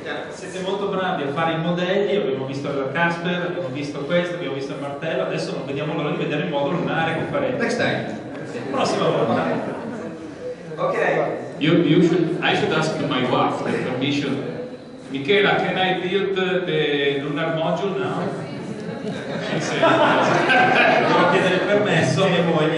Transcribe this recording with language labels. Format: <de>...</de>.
<it>Siete molto bravi a fare i modelli, abbiamo visto il Casper, abbiamo visto questo, abbiamo visto il martello, adesso non vediamo l'ora di vedere il modulo lunare che farete.</it> <en>Next time.</en> <it>Prossima volta.</it> <en>Okay. I should ask my wife the permission. Michela, can I build the lunar module now? She said,</en> <it>devo chiedere il permesso a mia moglie.</it>